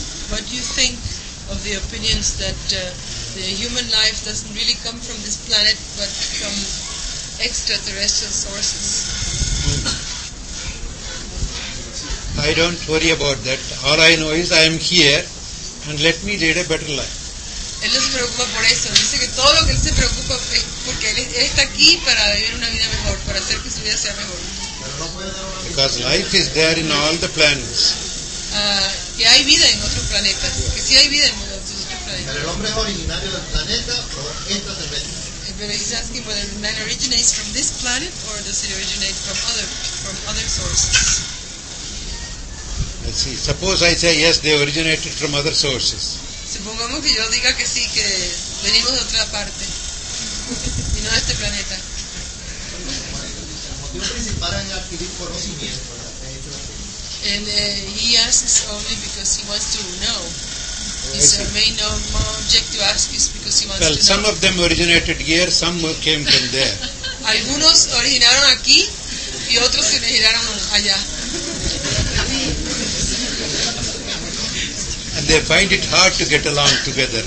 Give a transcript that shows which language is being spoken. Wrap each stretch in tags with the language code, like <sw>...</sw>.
<en>What do you think of the opinions that the human life doesn't really come from this planet, but from extraterrestrial sources? I don't worry about that. All I know is I am here, and let me lead a better life.</en> <es>Él no se preocupa por eso. Dice que todo lo que él se preocupa es porque él está aquí para vivir una vida mejor, para hacer que su vida sea mejor.</es> <en>Because life is there in all the planets.</en> <es>Que hay vida en otros planetas. Yes. Que sí hay vida en otros planetas. Pero el hombre es originario del planeta o extraterrestre.</es> <en>But he's asking whether the man originates from this planet or does it originate from other sources. Let's see. Suppose I say yes, they originated from other sources.</en> <es>Supongamos que yo diga que sí, que venimos de otra parte y no de este planeta.</es> <en>And he asks only because he wants to know. His main object to ask is because he wants well, to some know. Of them originated here, some came from there.</en> <es>Algunos originaron aquí y otros se originaron allá.</es> <en>And they find it hard to get along together.</en>